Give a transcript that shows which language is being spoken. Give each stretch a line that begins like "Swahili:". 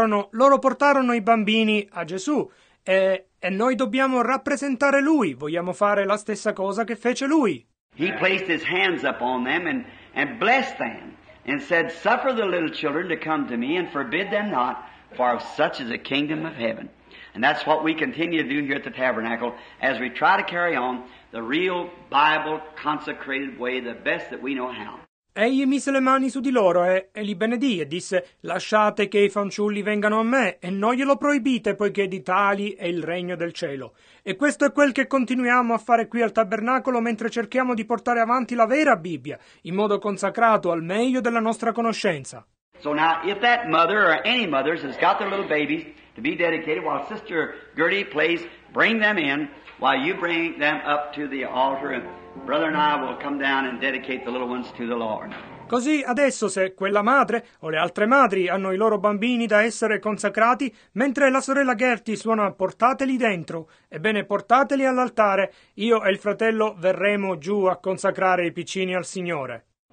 Italian: Loro portarono i bambini a Gesù, e noi dobbiamo rappresentare Lui, vogliamo fare la stessa cosa che fece Lui.
English: He placed his hands up on them and blessed them, and said, suffer the little children to come to me, and forbid them not, for of such is the kingdom of heaven. And that's what we continue to do here at the Tabernacle, as we try to carry on the real Bible consecrated way, the best that we know how.
Italian: Egli mise le mani su di loro e li benedì e disse, lasciate che i fanciulli vengano a me e non glielo proibite poiché di tali è il regno del cielo. E questo è quel che continuiamo a fare qui al Tabernacolo mentre cerchiamo di portare avanti la vera Bibbia in modo consacrato al meglio della nostra conoscenza.
English: So now, if that mother or any mothers has got their little babies to be dedicated while Sister Gertie plays, bring them in while you bring them up to the altar. Brother and I will come down and dedicate the little ones to the Lord.
Italian: Così adesso, se quella madre o le altre madri hanno i loro bambini da essere consacrati, mentre la sorella Gertie suona, portateli dentro. Ebbene, portateli all'altare. Io e il fratello verremo giù a consacrare i piccini al Signore.